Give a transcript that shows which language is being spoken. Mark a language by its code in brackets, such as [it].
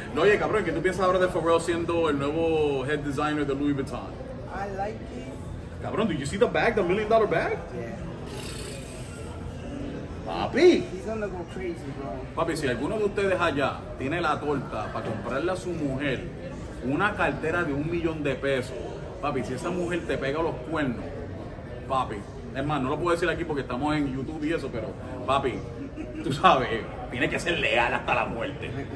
[es] No, oye, cabrón, ¿qué tú piensas ahora de Pharrell siendo el nuevo head designer de Louis Vuitton? [en] I like it. Cabrón, did you see the bag, the $1 million bag? Yeah. [es] Papi. [en] He's gonna go crazy, bro. [es] Papi, si alguno de ustedes allá tiene la torta para comprarle a su mujer una cartera de $1,000,000, papi, si esa mujer te pega los cuernos, papi. Es más, no lo puedo decir aquí porque estamos en YouTube y eso, pero papi, tú sabes, tiene que ser leal hasta la muerte.